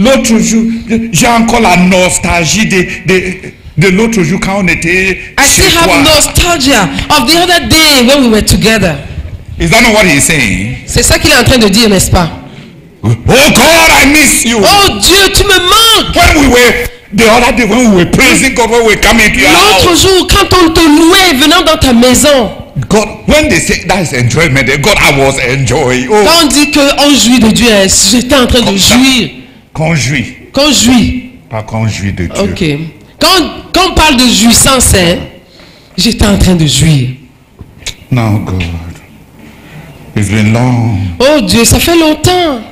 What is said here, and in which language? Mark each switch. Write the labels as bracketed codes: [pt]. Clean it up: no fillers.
[fr] L'autre jour, j'ai encore la nostalgie de l'autre jour quand on était chez toi. [en] I still have nostalgia of the other day when we were together. Is that not what he's saying? [fr] C'est ça qu'il est en train de dire, n'est-ce pas? [en] Oh God, I miss you. [fr] Oh Dieu, tu me manques. [en] When we were the other day, when we were praising God, when we were coming to your house. [fr] L'autre jour, quand on te louait venant dans ta maison. [en] God, when they say that is enjoyment, then God, I was enjoying. Oh. [fr] Quand on dit que on jouit de Dieu, j'étais en train de jouir. Quand jouit. Pas quand jouit de Dieu. Ok. Quand on parle de jouissance, hein, j'étais en train de jouir. [en] Now God, it's been long. [fr] Oh Dieu, ça fait longtemps.